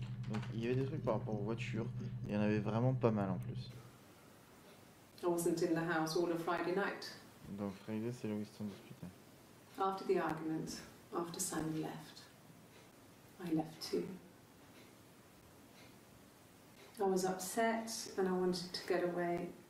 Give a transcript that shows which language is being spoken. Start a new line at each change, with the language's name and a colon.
French: Donc, il y avait des trucs par rapport aux voitures, et il y en avait vraiment pas mal en plus.
English: I wasn't in the house all of Friday night.
French: Donc, Friday, c'est là où ils se sont disputés.
English: After the argument, after Simon left, I left too. I was upset and I wanted to get away.